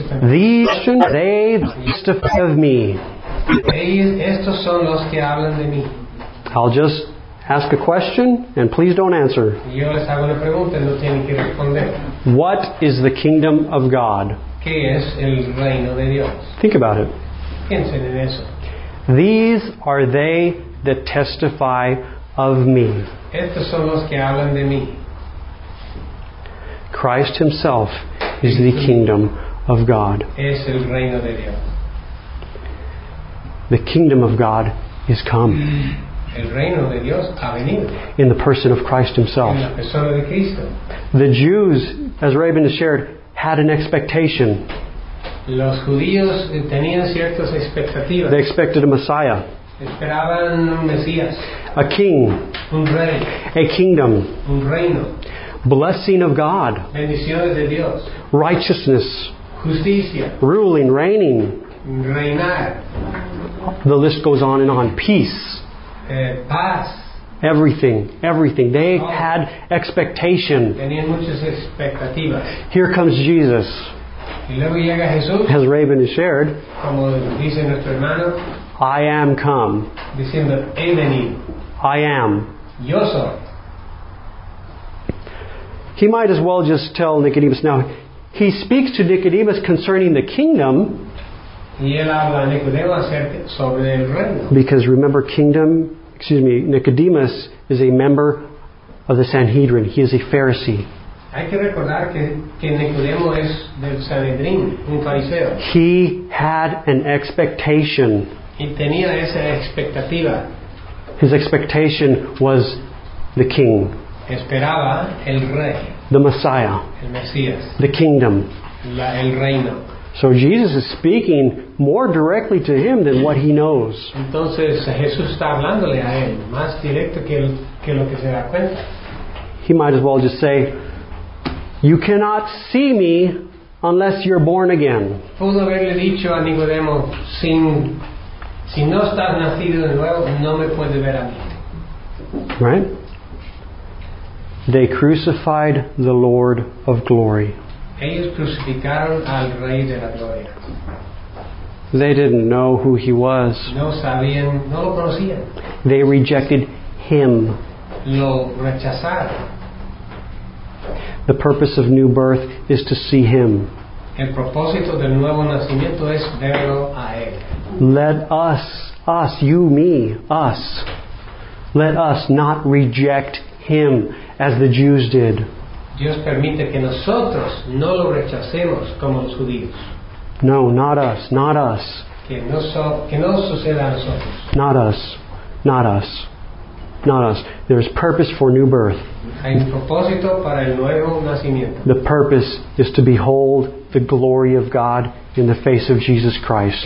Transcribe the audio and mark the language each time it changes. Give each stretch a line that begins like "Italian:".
English: These should they testify of me.
Spanish: Estos son los que hablan de mí.
English: I'll just ask a question and please don't answer.
Spanish: Yo les hago una pregunta, no tienen que responder.
English: What is the kingdom of God?
Spanish: ¿Qué es el reino de Dios?
English: Think about it.
Spanish: Piensen en eso.
English: These are they that testify of me.
Spanish: Estos son los que hablan de mí.
English: Christ himself is the kingdom of God.
Spanish: Es el reino de Dios.
English: The kingdom of God is come.
Spanish: El reino de Dios ha venido.
English: In the person of Christ himself.
Spanish: En la persona de Cristo.
English: The Jews, as Rabin has shared, had an expectation.
Spanish: Los judíos tenían ciertas expectativas.
English: They expected a Messiah.
Spanish: Esperaban un Mesías.
English: A king.
Spanish: Un rey.
English: A kingdom.
Spanish: Un reino.
English: Blessing of God.
Spanish: Bendiciones de Dios.
English: Righteousness.
Spanish: Justicia.
English: Ruling, reigning.
Spanish: Reinar.
English: The list goes on and on. Peace.
Spanish: Paz.
English: Everything. They had expectation.
Spanish: Tenían muchas expectativas.
English: Here comes Jesus.
Spanish: Y luego llega Jesús,
English: as Rabin has shared,
Spanish: como dice nuestro hermano,
English: I am come.
Spanish: Diciendo, he venido.
English: I am.
Spanish: Yo soy.
English: He might as well just tell Nicodemus. Now, he speaks to Nicodemus concerning the kingdom.
Spanish: Y él habla a Nicodemus acerca sobre el reino.
English: Because remember, Nicodemus is a member of the Sanhedrin. He is a Pharisee.
Spanish: Hay que recordar que Nicodemo es del Sanedrín, un fariseo.
English: He had an expectation.
Spanish: Y tenía esa expectativa.
English: His expectation was the king.
Spanish: Esperaba el rey.
English: The Messiah.
Spanish: El Mesías.
English: The kingdom.
Spanish: El reino.
English: So Jesus is speaking more directly to him than what he knows.
Spanish: Entonces Jesús está hablándole a él más directo que lo que se da cuenta.
English: He might as well just say, "You cannot see me unless you're born again."
Spanish: Pudo haberle dicho a Nicodemo, si no estás nacido de nuevo, no me puedes ver a mí.
English: Right? They crucified the Lord of glory.
Spanish: Ellos crucificaron al Rey de la Gloria.
English: They didn't know who he was.
Spanish: No sabían, no lo conocían.
English: They rejected him.
Spanish: Lo rechazaron.
English: The purpose of new birth is to see him.
Spanish: El propósito del nuevo nacimiento es verlo a él.
English: Let us, you, me, us, let us not reject him as the Jews did.
Spanish: Dios permite que nosotros no lo rechacemos como los judíos.
English: No, not us, not us.
Spanish: Que no suceda a nosotros.
English: Not us, not us. Not us. There is purpose for new birth.
Spanish: Hay un propósito para el nuevo nacimiento.
English: The purpose is to behold the glory of God in the face of Jesus Christ.